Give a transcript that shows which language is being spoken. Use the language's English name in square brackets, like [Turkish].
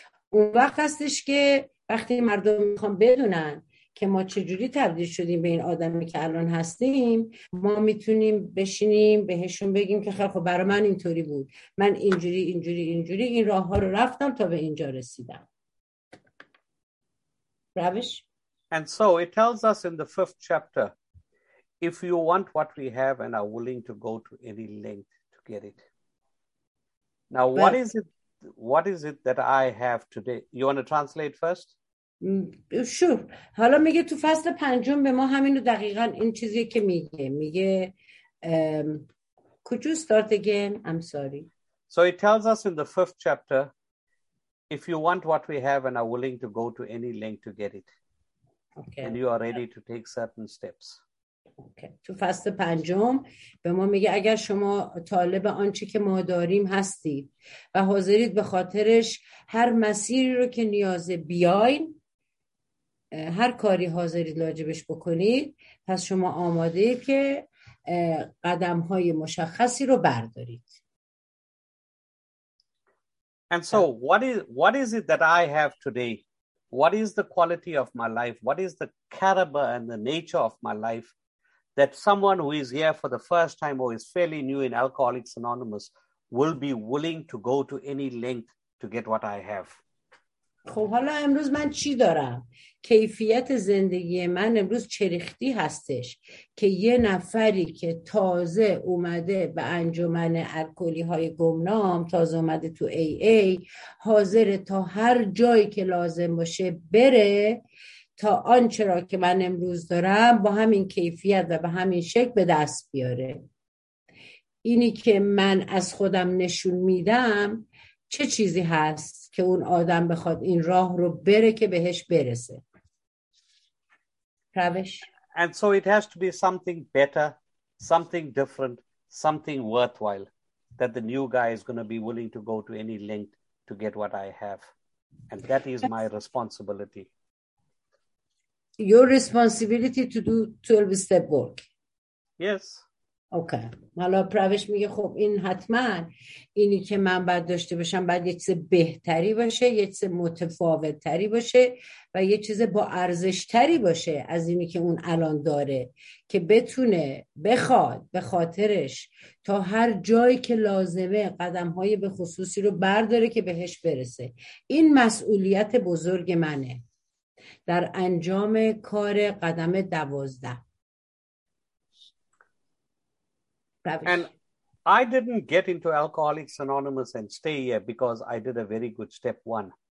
[Persian] اون وقت هستش که وقتی مردم میخوان بدونن که ما چجوری تبدیل شدیم به این آدمی که الان هستیم، ما میتونیم بشینیم بهشون بگیم که خب برای من اینطوری بود، من اینجوری اینجوری اینجوری این راه ها رو رفتم تا به اینجا رسیدم. روش. [English] And so it tells us in the fifth chapter, if you want what we have and are willing to go to any length to get it. Now what is it that I have today? You want to translate first? Sure. [Persian] حالا میگه تو فصل پنجم به ما همینو دقیقاً این چیزی که میگه [English] could you start again? I'm sorry. So it tells us in the fifth chapter, if you want what we have and are willing to go to any length to get it. Okay. And you are ready to take certain steps. Okay. [Persian] تو فصل پنجم به ما میگه اگر شما طالب آنچه که ما داریم هستید و حاضرید به خاطرش هر مسیری رو که نیاز بیاین، هر کاری حاضرید لاجبش بکنید، پس شما آماده اید که قدم های مشخصی رو بردارید. [English] And so what is it that I have today? What is the quality of my life? What is the caliber and the nature of my life that someone who is here for the first time or is fairly new in Alcoholics Anonymous will be willing to go to any length to get what I have? [Persian] خب حالا امروز من چی دارم؟ کیفیت زندگی من امروز چرختی هستش که یه نفری که تازه اومده به انجمن الکلی‌های گمنام، تازه اومده تو AA، حاضر تا هر جایی که لازم باشه بره تا آنچرا که من امروز دارم با همین کیفیت و به همین شکل به دست بیاره. اینی که من از خودم نشون میدم چه چیزی هست که اون آدم بخواد این راه رو بره که بهش برسه. روش. [English] And so it has to be something better, something different, something worthwhile that the new guy is going to be willing to go to any length to get what I have. And that is my responsibility. Your responsibility to do 12 step work. Yes. [Persian] اوکی. حالا پروش میگه خب این حتما اینی که من باید داشته باشم باید یه چیز بهتری باشه، یه چیز متفاوت تری باشه و یه چیز با ارزش تری باشه از اینی که اون الان داره که بتونه بخواد به خاطرش تا هر جایی که لازمه قدم های به خصوصی رو برداره که بهش برسه. این مسئولیت بزرگ منه در انجام کار قدم 12. [English] And I didn't get into Alcoholics Anonymous and stay here because I did a very good step one.